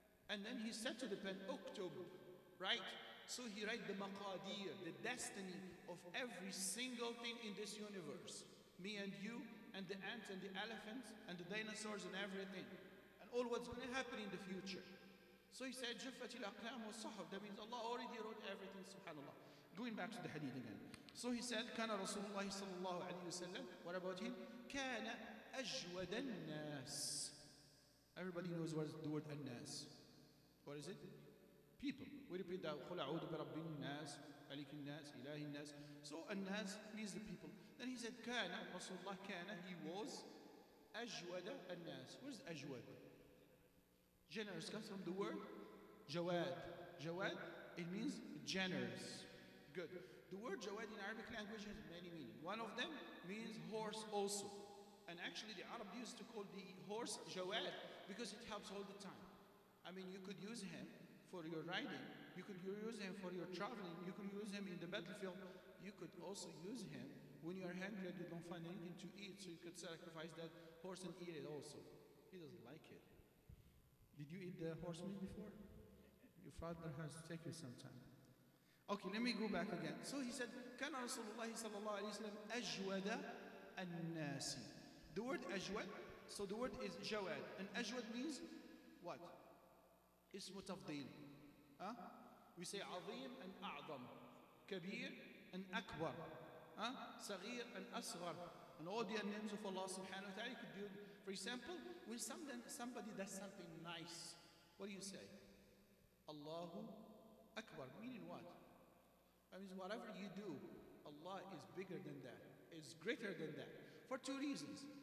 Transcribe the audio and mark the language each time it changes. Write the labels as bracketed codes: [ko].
[en] And then he said to the pen, Uktub, right? So he write the maqadir, the destiny of every single thing in this universe. Me and you, and the ants and the elephants, and the dinosaurs and everything. And all what's going to happen in the future. So he said, [ar] جفت الأقلام والصحف. [en] That means Allah already wrote everything, subhanAllah. Going back to the hadith again. [ar] So he said, كان رسول الله صلى الله عليه وسلم. [en] What about him? [ar] كان أجود الناس. [en] Everybody knows what the word الناس. What is it? People. We repeat that. [ar] قل أعوذ برب الناس. عليك الناس. إله الناس. [en] So الناس means the people. Then he said, [ar] كان رسول الله كان. [en] He was [ar] أجود الناس. [en] What is أجود? Generous comes from the word Jawad. Jawad, it means generous. Good. The word Jawad in Arabic language has many meanings. One of them means horse also. And actually the Arab used to call the horse Jawad because it helps all the time. I mean, you could use him for your riding, you could use him for your traveling, you could use him in the battlefield, you could also use him when you are hungry and you don't find anything to eat, so you could sacrifice that horse and eat it also. He doesn't like it. Did you eat the horse meat before? Your father has to take you some time. Okay, let me go back again. So he said, [ar] كان رسول الله صلى الله عليه وسلم أجود الناس. [en] The word أجود, so the word is جواد. And أجود means what? [ar] اسم تفضيل. [en] Huh? We say عظيم and أعظم. [ar] كبير and أكبر. Huh? صغير and أصغر. [en] And all the names of Allah subhanahu wa ta'ala. Could you, for example, when somebody does something nice, what do you say? Allahu Akbar. Meaning what? That means whatever you do, Allah is bigger than that, is greater than that. For two reasons.